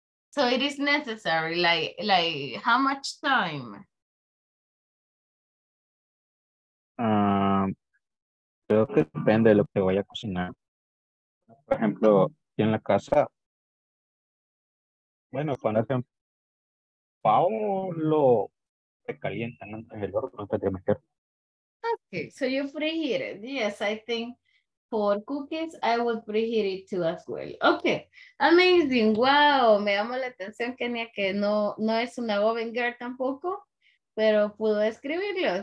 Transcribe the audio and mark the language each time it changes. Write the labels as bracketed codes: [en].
[en] So it is necessary, like how much time? [es] Creo que depende de lo que vaya a cocinar. Por ejemplo, aquí en la casa, bueno, cuando hacen pavo, lo calientan antes del horno, antes de meter. [en] Okay, so you preheat it. Yes, I think for cookies, I would preheat it too as well. Okay, amazing. [es] Wow, me llamó la atención, Kenia, que no es una oven girl tampoco, pero pudo escribirlo.